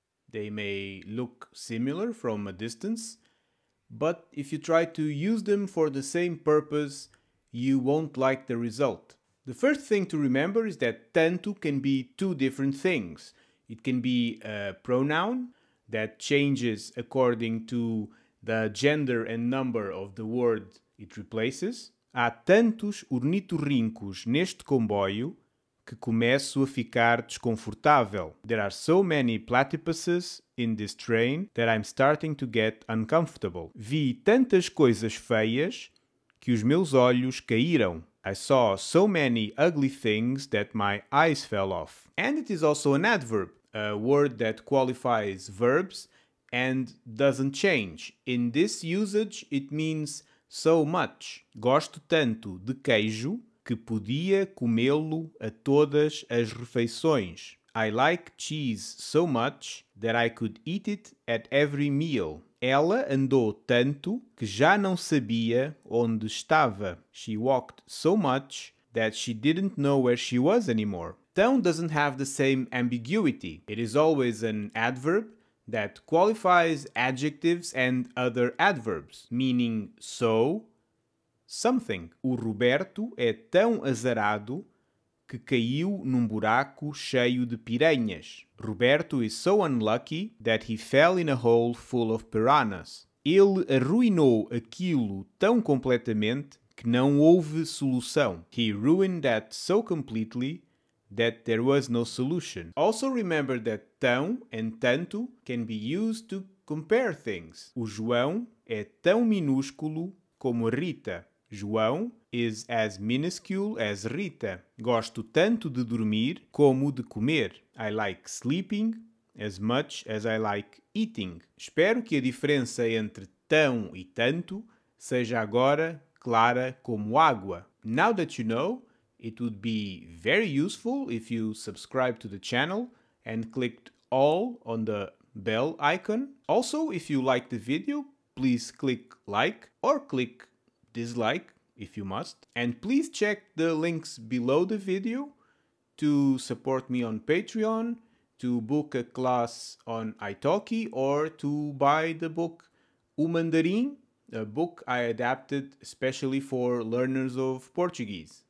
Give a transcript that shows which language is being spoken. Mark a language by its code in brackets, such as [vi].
[en] They may look similar from a distance, but if you try to use them for the same purpose, you won't like the result. The first thing to remember is that tanto can be two different things. It can be a pronoun that changes according to the gender and number of the word it replaces. [pt] Há tantos ornitorrincos neste comboio que começo a ficar desconfortável. [en] There are so many platypuses in this train that I'm starting to get uncomfortable. [pt] Vi tantas coisas feias que os meus olhos caíram. [en] I saw so many ugly things that my eyes fell off. And it is also an adverb, a word that qualifies verbs and doesn't change. In this usage, it means so much. [pt] Gosto tanto de queijo que podia comê-lo a todas as refeições. [en] I like cheese so much that I could eat it at every meal. [pt] Ela andou tanto que já não sabia onde estava. [en] She walked so much that she didn't know where she was anymore. Tão doesn't have the same ambiguity. It is always an adverb that qualifies adjectives and other adverbs, meaning so, something. [pt] O Roberto é tão azarado que caiu num buraco cheio de piranhas. [en] Roberto is so unlucky that he fell in a hole full of piranhas. [pt] Ele arruinou aquilo tão completamente que não houve solução. [en] He ruined that so completely that there was no solution. Also remember that tão and tanto can be used to compare things. [pt] O João é tão minúsculo como a Rita. [en] João is as minuscule as Rita. [pt] Gosto tanto de dormir como de comer. [en] I like sleeping as much as I like eating. [pt] Espero que a diferença entre tão e tanto seja agora clara como água. [en] Now that you know, it would be very useful if you subscribe to the channel and clicked all on the bell icon. Also, if you like the video, please click like or click dislike if you must. And please check the links below the video to support me on Patreon, to book a class on italki, or to buy the book O Mandarim, a book I adapted especially for learners of Portuguese.